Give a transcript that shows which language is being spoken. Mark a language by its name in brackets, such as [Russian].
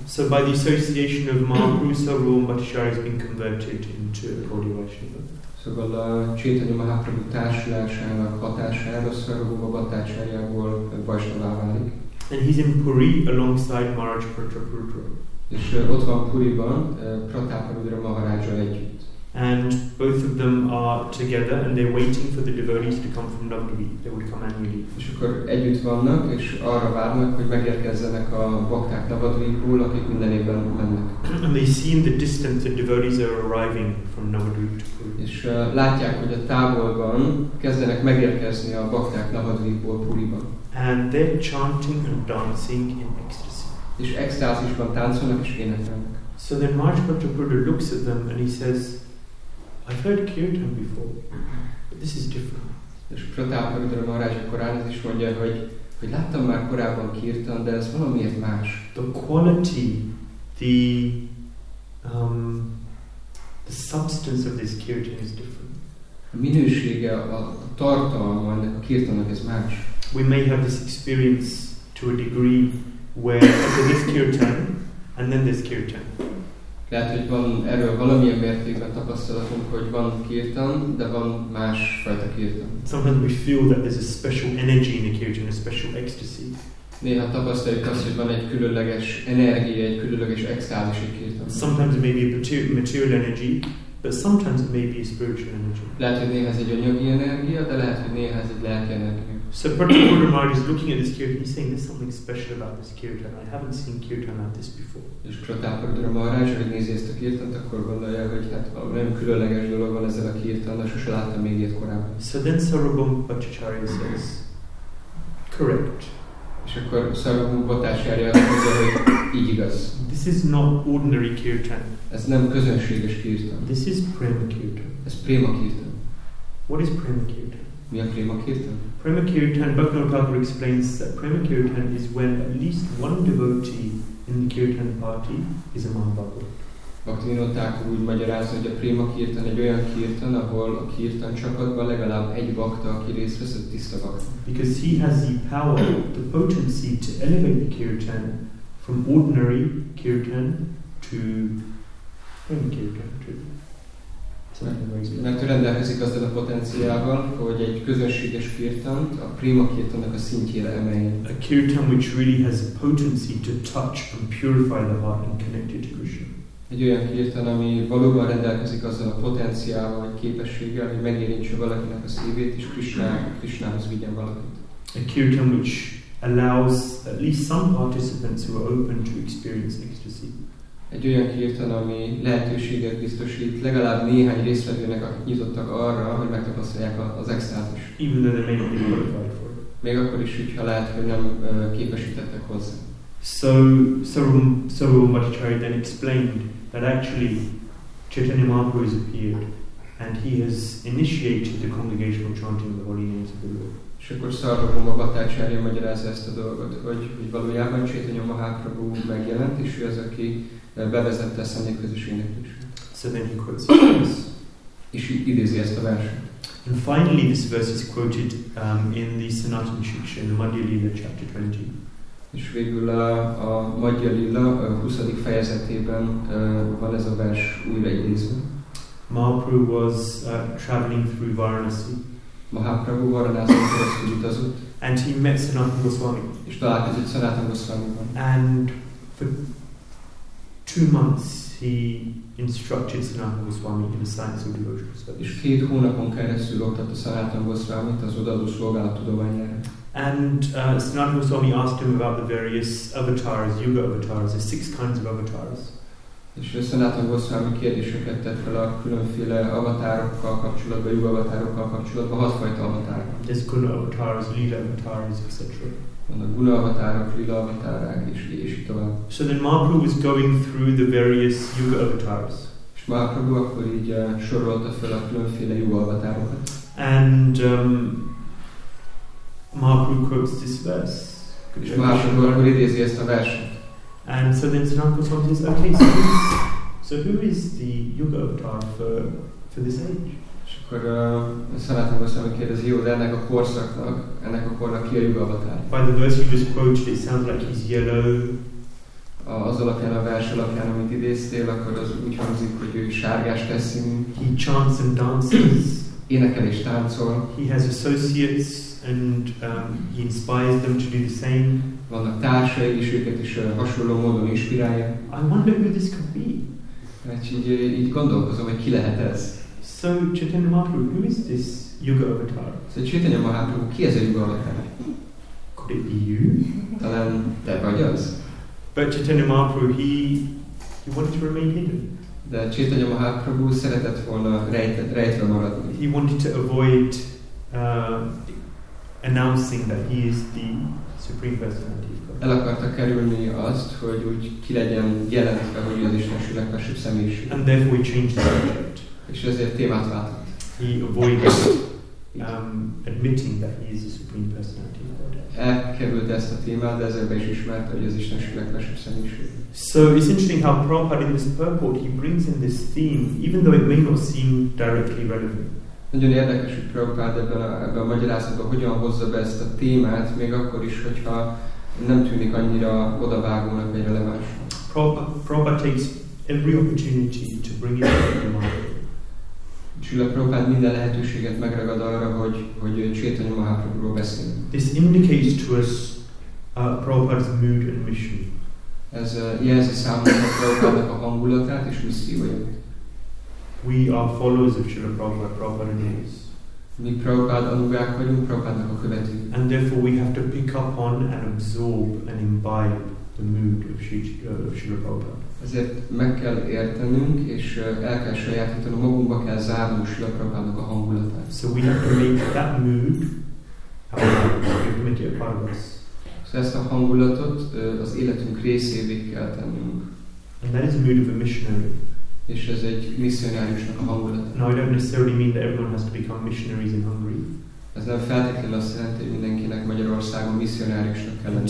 [English] So by the association of Mahaprabhu, Sarvabhauma Bhattacharya has been converted into Gaudiya Vaishnava. [Hungarian] Szóval a Chaitanya Mahaprabhu társulásának hatására Sarvabhauma Bhattacharyából Vaishnava válik. [English] And he's in Puri alongside Maharaj Pratapa Rudra. [Hungarian] És ott van Puriban Pratapa Rudra Maharajjal együtt. [English] And both of them are together, and they're waiting for the devotees to come from Navadvip. They would come annually. [Hungarian] És akkor együtt vannak, és arra várnak, hogy megérkezzenek a bakták Navadvipból, akik minden évben mennek. [English] And they see in the distance the devotees are arriving from Navadvip. [Hungarian] És látják, hogy a távolban kezdenek megérkezni a bakták Navadvipból Puriba. [English] And they're chanting and dancing in ecstasy. [Hungarian] És extázisban táncolnak és énekelnek. [English] So then Mahārāja-prabhu looks at them and he says, I've heard kirtan before, but this is different. [Hungarian] És Pratapa-prabhu Mahārāja-akkor ránéz és mondja, hogy láttam már korábban kirtan, de ez valamiért más. [English] The quality, the substance of this kirtan is different. [Hungarian] A minősége, a tartalma ennek a kirtannak ez más. [English] We may have this experience to a degree where there is kirtan and then there's kirtan. [Hungarian] Lehet, hogy van erről valamilyen mértékben tapasztalatunk, hogy van kirtan, de van más fajta kirtan. [English] Sometimes we feel that there's a special energy in a kirtan, a special ecstasy. [Hungarian] Néha tapasztaljuk azt, hogy van egy különleges energia, egy különleges extázis egy kirtan. [English] Sometimes it may be a material energy, but sometimes it may be a spiritual energy. [Hungarian] Lehet, hogy néha ez egy anyagi energia, de lehet, hogy néha ez egy lelki energia. [English] So Pratapa-prabhu Mahārāja is looking at this kirtan, he's saying there's something special about this kirtan. I haven't seen kirtan like this before. [Hungarian] És Pratapa-prabhu Mahārāja, hogy nézi ezt a kirtant, akkor gondolja, hogy hát nem különleges dolog van ezzel a kirtan, de sose láttam még ilyet korábban. [English] So then Sarvabhauma Bhattacharya says, correct. [Hungarian] És akkor Sarvabhauma Bhattacharya azt mondja, hogy így igaz. [English] This is not ordinary kirtan. [Hungarian] Ez nem közönséges kirtan. [English] This is prema kirtan. [Hungarian] Ez prema kirtan. [English] What is prema kirtan? [Hungarian] Mi a prema kirtan? [English] Prema kirtan, Bhaktivinoda Thakura explains that prema kirtan is when at least one devotee in the kirtan party is a mahabhagavat. [Hungarian] Bhaktivinoda Thakura úgy magyarázza, hogy a prema kirtan egy olyan kirtan, ahol a kirtan csapatban legalább egy bhakta, aki részt vesz, egy tiszta bhakta. [English] Because he has the power, the potency to elevate the kirtan from ordinary kirtan to prema kirtan to. [Hungarian] Mert ő rendelkezik azzal a potenciával, hogy egy közönséges kirtant a prima kirtannak a szintjére emelje. [English] A kirtan which really has a potency to touch and purify the heart and connect it to Krishna. [Hungarian] Egy olyan kirtan, ami valóban rendelkezik azzal a potenciával, vagy képességgel, hogy megérintse valakinek a szívét, és Krishnához vigyen valakit. [English] A kirtan which allows at least some participants who are open to experience ecstasy. [Hungarian] Egy olyan kirtan, ami lehetőséget biztosít legalább néhány résztvevőnek, akik nyitottak arra, hogy megtapasztalják az extázist. [English] Even though they may not be qualified for it. [Hungarian] Még akkor is, hogyha lehet, hogy nem képesítettek hozzá. [English] So Sarvabhauma Bhattacharya then explained that actually Chaitanya Mahaprabhu has appeared and he has initiated the congregation of chanting the holy names of the Lord. [Hungarian] És akkor Sarvabhauma Bhattacharya magyarázza ezt a dolgot, hogy valójában Chaitanya Mahaprabhu megjelent, és ő az, aki bevezette a személyi közösségnek is. [English] So then he quotes this verse. [Hungarian] És idézi ezt a verset. [English] And finally this verse is quoted in the Sanatan Shiksha, in the Madhya Lila chapter 20. [Hungarian] És végül a Madhya Lila 20. fejezetében van ez a vers újra idézve. [English] Mahaprabhu was traveling through Varanasi. [Hungarian] Mahaprabhu Varanasi-n keresztül utazott. [English] And he met Sanatan Goswami. [Hungarian] És találkozott Sanatan Goswami-ban. [English] And for 2 months he instructed Sanatan Goswami in the science of devotional service. [Hungarian] És 2 hónapon keresztül oktatta Sanatan Goswamit az odaadó szolgálat tudományára. [English] And Sanatan Goswami asked him about the various avatars, yuga avatars, the 6 kinds of avatars. [Hungarian] És Sanatan Goswami kérdéseket tett fel a különféle avatárokkal kapcsolatban, yuga avatárokkal kapcsolatban, 6 fajta avatár. [English] There's guna avatars, lila avatars, etc. [Hungarian] Vannak guna avatárok, lila avatárok, és így tovább. [English] So then Mahaprabhu was going through the various yuga avatars. [Hungarian] És Mahaprabhu akkor így sorolta fel a különféle yuga avatárokat. [English] And Mahaprabhu quotes this verse. [Hungarian] És Mahaprabhu akkor idézi ezt a verset. [English] And so then Sanatan Goswami says, okay, so who is the yuga avatar for this age? [Hungarian] És akkor Sanatan Goswami kérdezi, jó, de ennek a kornak ki a yuga avatar? [English] By the verse you just quoted, it sounds like he's yellow. [Hungarian] Az alapján, a vers alapján, amit idéztél, akkor az úgy hangzik, hogy ő sárgás teszünk. [English] He chants and dances. [Hungarian] Énekel és táncol. [English] He has associates and he inspires them to do the same. [Hungarian] Vannak társai, és őket is hasonló módon inspirálja. [English] I wonder who this could be. [Hungarian] Hát így gondolkozom, hogy ki lehet ez. [English] So Chaitanya Mahaprabhu, who is this yoga avatar? [Hungarian] So Chaitanya Mahaprabhu, ki ez a yoga avatar? [English] Could it be you? [Hungarian] Talán te vagy az. [English] But Chaitanya Mahaprabhu, he wanted to remain hidden. [Hungarian] De Chaitanya Mahaprabhu szeretett volna rejtve maradni. [English] He wanted to avoid announcing that he is the supreme personality. [Hungarian] El akarta kerülni azt, hogy úgy ki legyen jelentve, hogy az Istenső legfelsőbb személyiség. [English] And therefore he changed the subject. [Hungarian] És ezért témát váltott. [English] He avoided admitting that he is the supreme personality of Godhead. [Hungarian] Elkerült ezt a témát, de ezért be is ismerte, hogy az Istenső legfelsőbb személyiség. [English] So it's interesting how Prabhupada in this purport he brings in this theme, even though it may not seem directly relevant. [Hungarian] Nagyon érdekes, hogy Prabhupada ebben a magyarázatban hogyan hozza be ezt a témát, még akkor is, hogyha nem tűnik annyira odavágónak vagy releváns. [English] Prabhupada takes every opportunity to bring it to the mind. [Hungarian] Srila Prabhupada minden lehetőséget megragad arra, hogy Chaitanya Mahaprabhuról beszél. [English] This indicates to us Prabhupada's mood and mission. [Hungarian] Ez jelzi számunkra a Prabhupada-nak a hangulatát és misszióját. [English] We are followers of Srila Prabhupada, Prabhupada is. [Hungarian] Mi Prabhupada anugák vagyunk, Prabhupada-nak a követő. [English] And therefore we have to pick up on and absorb and imbibe the mood of Srila Prabhupada. [Hungarian] Ezért meg kell értenünk, és el kell sajátítanunk, magunkba kell zárnunk Srila Prabhupada-nak a hangulatát. [English] So we have to make that mood our immediate part of us. [Hungarian] So ezt a hangulatot az életünk részévé kell tennünk. [English] And that is a mood of a missionary. [Hungarian] És ez egy misszionáriusnak a hangulat. [English] Now I don't necessarily mean that everyone has to become missionaries in Hungary. [Hungarian] Ez nem feltétlenül azt jelenti, hogy mindenkinek Magyarországon missionáriusnak kell lenni.